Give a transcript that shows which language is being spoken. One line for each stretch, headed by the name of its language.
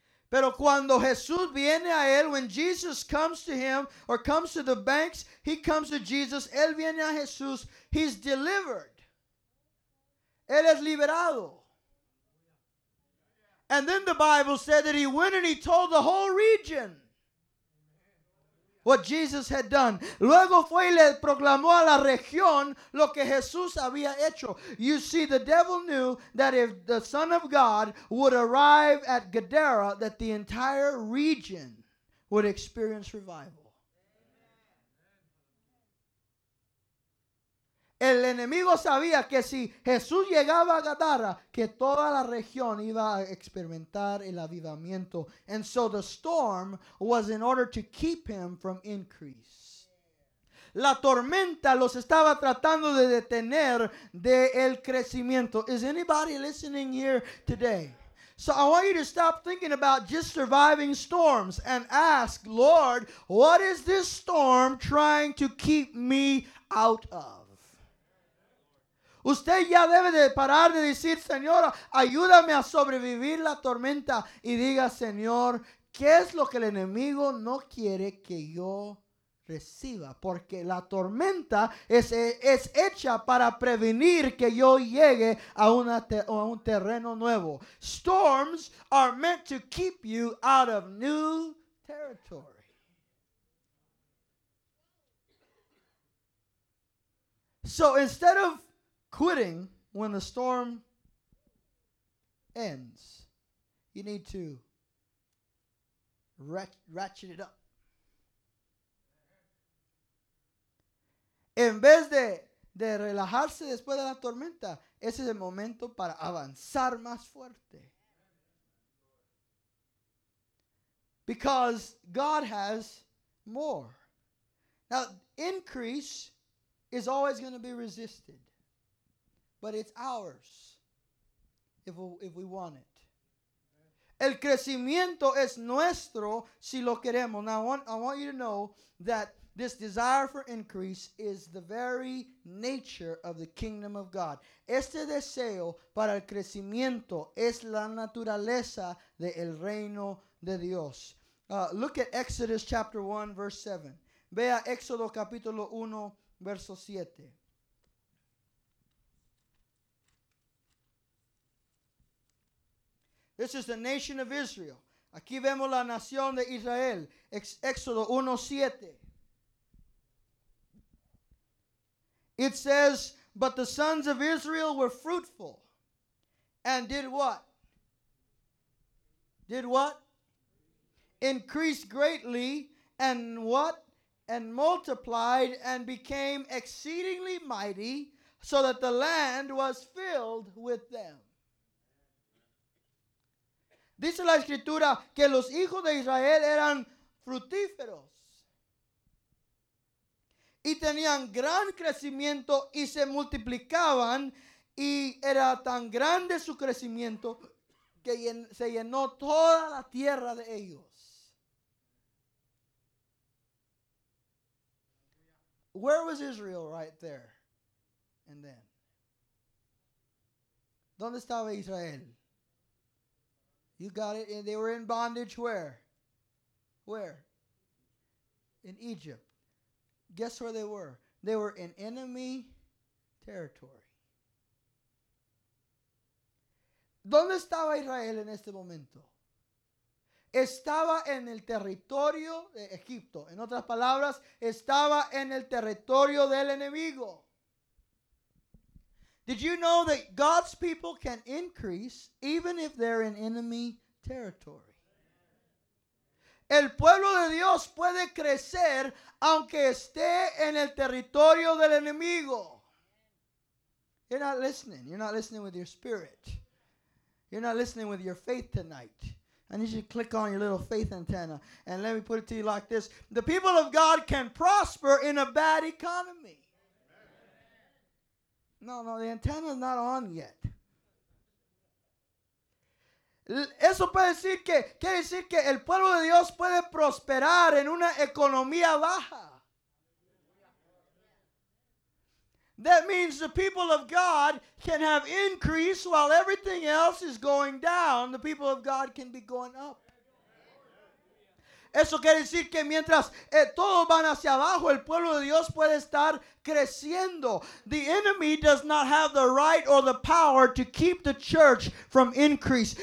Spanish: Pero cuando Jesús viene a él,
English: when Jesus comes to him or comes to the banks, he comes to Jesus.
Spanish: Él viene a Jesús.
English: He's delivered.
Spanish: Él es liberado.
English: And then the Bible said that he went and he told the whole region what Jesus had done.
Spanish: Luego fue y le proclamó a la región lo que Jesús había hecho.
English: You see, the devil knew that if the Son of God would arrive at Gadara, that the entire region would experience revival.
Spanish: El enemigo sabía que si Jesús llegaba a Gadara, que toda la región iba a experimentar el avivamiento.
English: And so the storm was in order to keep him from increase.
Spanish: La tormenta los estaba tratando de detener de el crecimiento.
English: Is anybody listening here today? So I want you to stop thinking about just surviving storms and ask, Lord, what is this storm trying to keep me out of?
Spanish: Usted ya debe de parar de decir, Señor, ayúdame a sobrevivir la tormenta. Y diga, Señor, ¿qué es lo que el enemigo no quiere que yo reciba? Porque la tormenta es hecha para prevenir que yo llegue a un terreno nuevo.
English: Storms are meant to keep you out of new territory. So instead of quitting when the storm ends, you need to ratchet it up.
Spanish: En vez de relajarse después de la tormenta, ese es el momento para avanzar más fuerte.
English: Because God has more. Now, increase is always going to be resisted. But it's ours if we want it.
Spanish: El crecimiento es nuestro si lo queremos.
English: Now I want you to know that this desire for increase is the very nature of the kingdom of God.
Spanish: Este deseo para el crecimiento es la naturaleza del reino de Dios.
English: Look at Exodus chapter 1, verse 7.
Spanish: Vea Éxodo capítulo 1, verso 7.
English: This is the nation of Israel.
Spanish: Aquí vemos la nación de Israel. Éxodo 1:7.
English: It says, but the sons of Israel were fruitful and did what? Did what? Increased greatly and what? And multiplied and became exceedingly mighty so that the land was filled with them.
Spanish: Dice la escritura que los hijos de Israel eran frutíferos y tenían gran crecimiento y se multiplicaban y era tan grande su crecimiento que se llenó toda la tierra de ellos.
English: Where was Israel right there and then?
Spanish: ¿Dónde estaba Israel?
English: You got it. And they were in bondage where? Where? In Egypt. Guess where they were? They were in enemy territory.
Spanish: ¿Dónde estaba Israel en este momento? Estaba en el territorio de Egipto. En otras palabras, estaba en el territorio del enemigo.
English: Did you know that God's people can increase even if they're in enemy territory?
Spanish: El pueblo de Dios puede crecer aunque esté en el territorio del enemigo.
English: You're not listening. You're not listening with your spirit. You're not listening with your faith tonight. I need you to click on your little faith antenna. And let me put it to you like this. The people of God can prosper in a bad economy. No, the antenna is not on yet.
Spanish: Eso puede decir que, quiere decir que el pueblo de Dios puede prosperar en una economía baja.
English: That means the people of God can have increase while everything else is going down. The people of God can be going up.
Spanish: Eso quiere decir que mientras todos van hacia abajo, el pueblo de Dios puede estar creciendo.
English: The enemy does not have the right or the power to keep the church from increase.